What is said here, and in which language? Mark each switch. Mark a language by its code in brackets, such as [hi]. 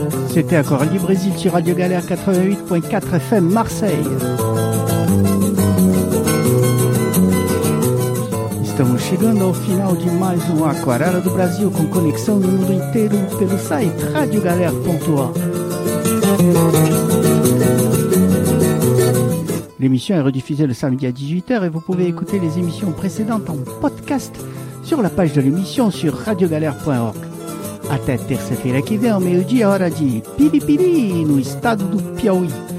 [fr] C'était encore Libre-Brésil sur Radio Galère 88.4 FM Marseille. [pt] Estamos chegando ao final de mais um Aquarela do Brasil, com conexão no mundo inteiro pelo site radiogalera.org. [fr] L'émission est rediffusée le samedi à 18h et vous pouvez écouter les émissions précédentes en podcast sur la page de l'émission sur radiogalera.org. [pt] Até terça-feira que vem, ao meio-dia, hora de Piripiri, no estado do Piauí.